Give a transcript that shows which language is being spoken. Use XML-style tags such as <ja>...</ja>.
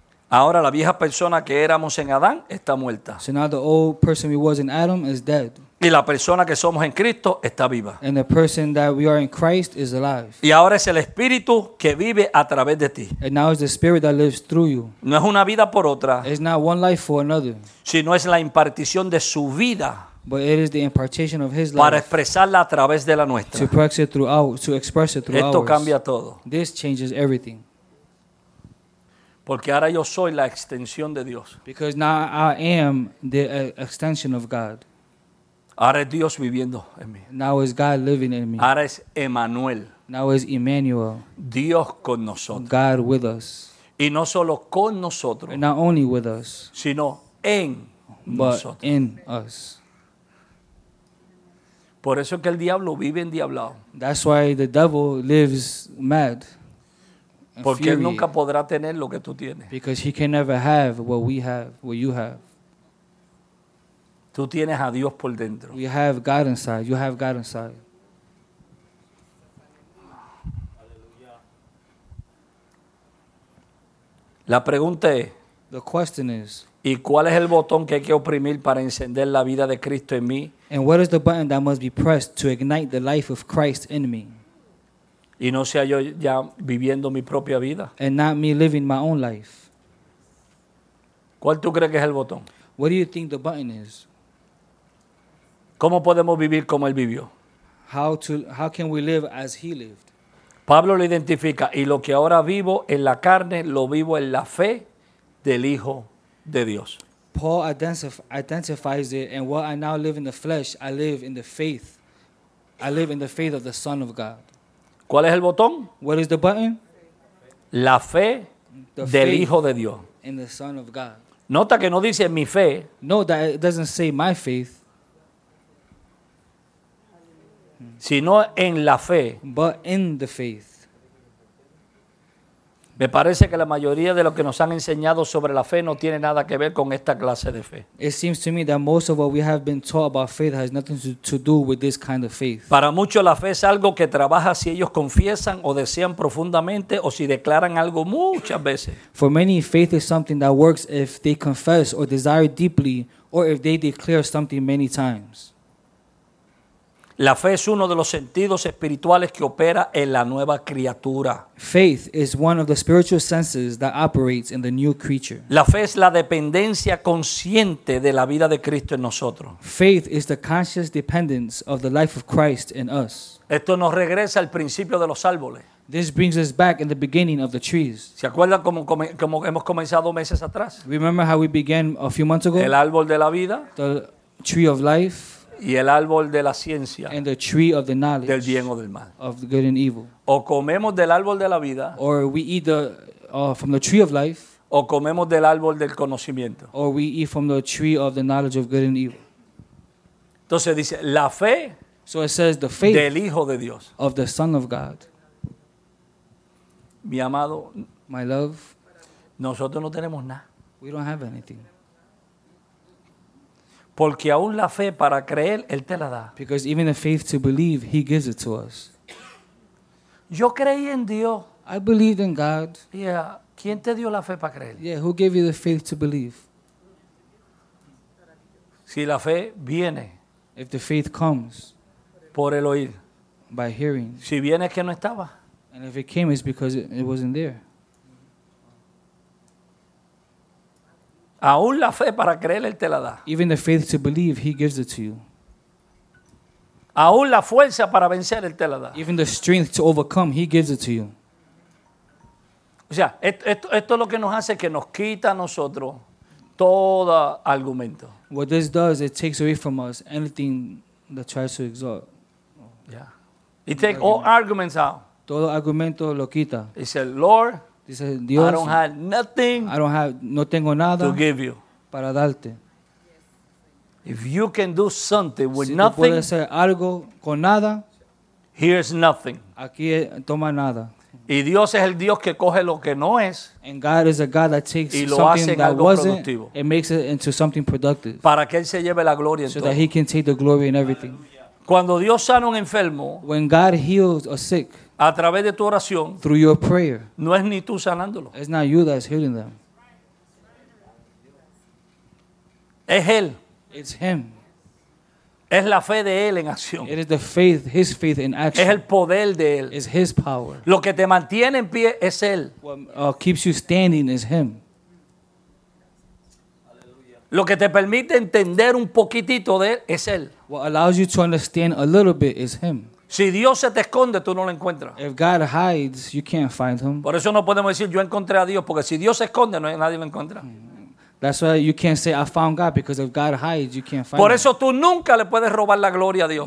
<es>Ahora la vieja persona que éramos en Adán está muerta.</es> <en>So now the old person we was in Adam is dead.</en> <es>Y la persona que somos en Cristo está viva.</es> <en>And the person that we are in Christ is alive.</en> <es>Y ahora es el Espíritu que vive a través de ti.</es> <en>And now is the Spirit that lives through you.</en> <es>No es una vida por otra.</es> <en>It's not one life for another.</en> <es>Sino es la impartición de su vida.</es> <en>But it is the impartation of his life.</en> <es>Para expresarla a través de la nuestra.</es> <en>To express it through ours.</en> <es>Esto cambia todo.</es> <en>This changes everything.</en> <es>Porque ahora yo soy la extensión de Dios.</es> <en>Because now I am the extension of God.</en> <es>Ahora es Dios viviendo en mí.</es> <en>Now is God living in me.</en> <es>Ahora es Emmanuel.</es> <en>Now is Emmanuel.</en> <es>Dios con nosotros.</es> <en>God with us.</en> <es>Y no solo con nosotros.</es> <en>And not only with us.</en> <es>Sino en</es> <en>but</en> <es>nosotros.</es> <en>In us.</en> <es>Por eso es que el diablo vive endiablado.</es> <en>That's why the devil lives mad.</en> <es>Porque él nunca podrá tener lo que tú tienes.</es> <en>Because he can never have what we have, what you have.</en> <es>Tú tienes a Dios por dentro.</es> <en>You have God inside. You have God inside.</en> <es>La pregunta es.</es> <en>The question is.</en> <es>¿Y cuál es el botón que hay que oprimir para encender la vida de Cristo en mí?</es> <en>And what is the button that must be pressed to ignite the life of Christ in me?</en> <es>Y no sea yo ya viviendo mi propia vida.</es> <en>And not me living my own life.</en> <es>¿Cuál tú crees que es el botón?</es> <en>What do you think the button is?</en> <es>¿Cómo podemos vivir como él vivió?</es> <en>How can we live as he lived?</en> <es>Pablo lo identifica, y lo que ahora vivo en la carne, lo vivo en la fe del Hijo de Dios.</es> <en>Paul identifies it, and what I now live in the flesh, I live in the faith. I live in the faith of the Son of God.</en> <es>¿Cuál es el botón?</es> <en>What is the button?</en> <es>La fe del Hijo de Dios.</es> <en>In the Son of God.</en> <es>Nota que no dice mi fe.</es> <en>No, that it doesn't say my faith.</en> <es>Sino en la fe.</es> <en>But in the faith.</en> <es>Me parece que la mayoría de lo que nos han enseñado sobre la fe no tiene nada que ver con esta clase de fe.</es> <en>It seems to me that most of what we have been taught about faith has nothing to do with this kind of faith.</en> <es>Para muchos la fe es algo que trabaja si ellos confiesan o desean profundamente o si declaran algo muchas veces.</es> <en>For many, faith is something that works if they confess or desire deeply or if they declare something many times.</en> <es>La fe es uno de los sentidos espirituales que opera en la nueva criatura.</es> <en>Faith is one of the spiritual senses that operates in the new creature.</en> <es>La fe es la dependencia consciente de la vida de Cristo en nosotros.</es> <en>Faith is the conscious dependence of the life of Christ in us.</en> <es>Esto nos regresa al principio de los árboles.</es> <en>This brings us back in the beginning of the trees.</en> <es>¿Se acuerdan cómo hemos comenzado meses atrás?</es> <en>Remember how we began a few months ago?</en> <es>El árbol de la vida.</es> <en>The tree of life.</en> <es>Y el árbol de la ciencia.</es> <en>And the tree of the knowledge.</en> <es>Del bien o del mal.</es> <en>Of good and evil.</en> <es>O comemos del árbol de la vida.</es> <en>Or we eat from the tree of life.</en> <es>O comemos del árbol del conocimiento.</es> <en>Or we eat from the tree of the knowledge of good and evil.</en> <es>Entonces dice, la fe.</es> <en>So it says the faith.</en> <es>Del Hijo de Dios.</es> <en>Of the Son of God.</en> <es>Mi amado.</es> <en>My love.</en> <es>Nosotros no tenemos nada.</es> <en>We don't have anything.</en> <es>Porque aún la fe para creer, Él te la da.</es> <en>Because even the faith to believe, He gives it to us.</en> <es>Yo creí en Dios.</es> <en>I believed in God.</en> <es>Yeah. ¿Quién te dio la fe para creer?</es> <en>Yeah, who gave you the faith to believe?</en> <es>Si la fe viene.</es> <en>If the faith comes.</en> <es>Por el oír.</es> <en>By hearing.</en> <es>Si viene es que no estaba.</es> <en>And if it came, it's because it wasn't there.</en> <es>Aún la fe para creer, Él te la da.</es> <en>Even the faith to believe, He gives it to you.</en> <es>Aún la fuerza para vencer, Él te la da.</es> <en>Even the strength to overcome, He gives it to you.</en> <es>O sea, esto es lo que nos hace que nos quita a nosotros todo argumento.</es> <en>What this does, it takes away from us anything that tries to exalt. Yeah. It takes all arguments out.</en> <es>Todo argumento lo quita.</es> <en>He said, Lord,</en> <es>dice, Dios,</es> <en>I don't have nothing. I don't have,</en> <es>no tengo nada</es> <en>to give you.</en> <es>Para darte.</es> <en>If you can do something with</en> <es>si</es> <en>nothing,</en> <es>puedes hacer algo con nada,</es> <en>here's nothing.</en> <es>Aquí toma nada. Y Dios es el Dios que coge lo que no es.</es> <en>And God is a God that takes something that wasn't and makes it into something productive.</en> <es>Para que Él se lleve la gloria en</es> <en>todo. So that He can take the glory in everything.</en> <es>Cuando Dios sana un enfermo,</es> <en>when God heals a sick.</en> <es>A través de tu oración,</es> <en>through your prayer,</en> <es>no es ni tú sanándolo.</es> <en>It's not you that's healing them.</en> <es>Es Él.</es> <en>It's Him.</en> <es>Es la fe de Él en acción.</es> <en>It is the faith, His faith in action.</en> <es>Es el poder de Él.</es> <en>It's His power.</en> <es>Lo que te mantiene en pie es Él.</es> <en>What keeps you standing is Him.</en> <es>Lo que te permite entender un poquitito de Él es Él.</es> <en>What allows you to understand a little bit is Him.</en> <es>Si Dios se te esconde, tú no lo encuentras.</es> <en>If God hides, you can't find Him.</en> <es>Por eso no podemos decir yo encontré a Dios, porque si Dios se esconde, nadie lo encuentra.</es> <en>That's why you can't say I found God, because if God hides, you can't find</en> <es>Por eso tú nunca le puedes robar la gloria a Dios.</es>